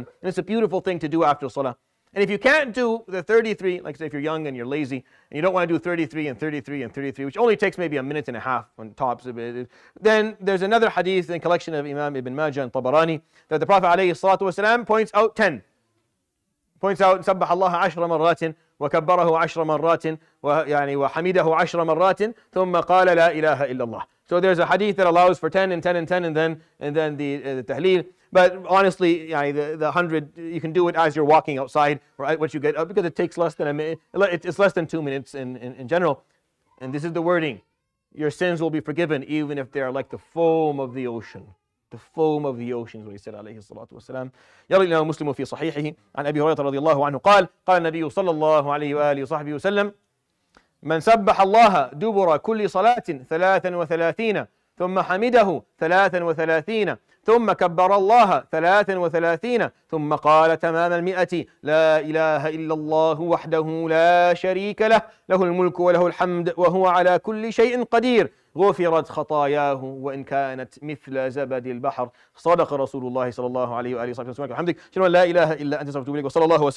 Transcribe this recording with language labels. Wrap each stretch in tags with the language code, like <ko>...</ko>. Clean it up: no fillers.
<en>And it's a beautiful thing to do after salah. And if you can't do the 33, like say if you're young and you're lazy, and you don't want to do 33 and 33 and 33, which only takes maybe a minute and a half on tops of it, then there's another hadith in the collection of Imam Ibn Majah and Tabarani, that the Prophet alayhi salatu wasalam points out 10. Points out,</en> <ar>سَبَّحَ اللَّهَ عَشْرَ مَرَّاتٍ وَكَبَّرَهُ عَشْرَ مَرَّاتٍ وَحَمِدَهُ عَشْرَ مَرَّاتٍ ثُمَّ قَالَ لَا إِلَهَ إِلَّا اللَّهِ.</ar> <en>So there's a hadith that allows for 10 and 10 and 10 and then the tahleel. But honestly, yeah, the 100, you can do it as you're walking outside, right? Once you get up, because it takes less than a minute. It's less than 2 minutes in general. And this is the wording. Your sins will be forgiven, even if they are like the foam of the ocean. The foam of the ocean is what he said, alayhi salatu wasalam.</en> <ar>يَرِي لَهُ مُسْلِمُ فِي صَحِيحِهِ عَنْ أَبِي هُرَيْرَةَ رَضِيَ اللَّهُ عَنْهُ قَالَ قَالَ النَّبِيُّ صَلَّى اللَّهُ عَلَيْهِ وَآلِهِ وَصَحْبِهِ وَسَلَّمْ مَنْ سَبَّحَ اللَّهَ دُبُرَ كُلِّ صَلَاةٍ 33 ثُمَّ حَمِدَهُ 33 ثم كبر الله 33 ثم قال تمام المئة لا إله إلا الله وحده لا شريك له له الملك وله الحمد وهو على كل شيء قدير غفرت خطاياه وإن كانت مثل زبد البحر صدق رسول الله صلى الله عليه وآله وصحبه وسلم. الحمد لله، شهد أن لا إله إلا أنت، استغفرك وأتوب إليك، وصلى الله وسلم.</ar>